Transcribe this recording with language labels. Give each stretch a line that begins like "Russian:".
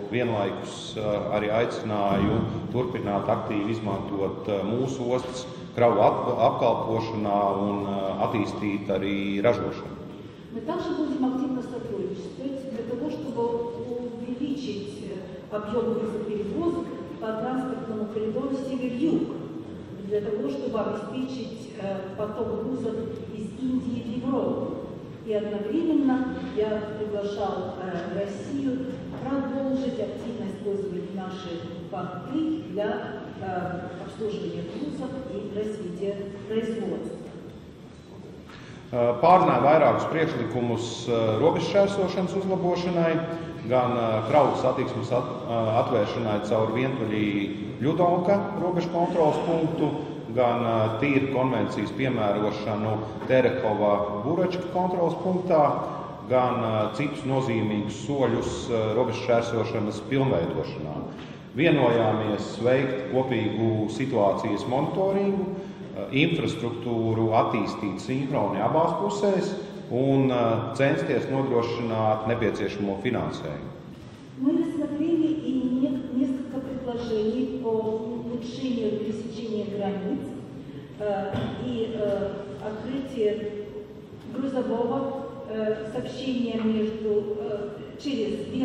Latvian: Vienlaikus arī aicināju turpināt aktīvi izmantot mūsu ostas kravu apkalpošanā un attīstīt arī ražošanu.
Russian: Мы также будем активно сотрудничать для того, чтобы увеличить объем грузоперевозок по транспортному коридору Север-Юг, для того, чтобы обеспечить поток грузов из Индии в Европу. И одновременно я приглашал Россию продолжить активно использовать наши порты для обслуживания грузов и развития производства.
Latvian: Pārzināju vairākus priekšlikumus robežšķērsošanas uzlabošanai, gan kravu satiksmes atvēršanai caur vientuļī Ļudonka robežkontroles punktu, gan tīra konvencijas piemērošanu Terehova Buračka kontroles punktā, gan citus nozīmīgus soļus robežšķērsošanas pilnveidošanā. Vienojāmies veikt kopīgu situācijas monitoringu, infrastruktūru attīstīt sinhroni abās pusēs un censties nodrošināt nepieciešamo finansējumu.
Russian: Мы рассмотрели и несколько предложений по улучшению пересечения границ и открытие грузового сообщения между через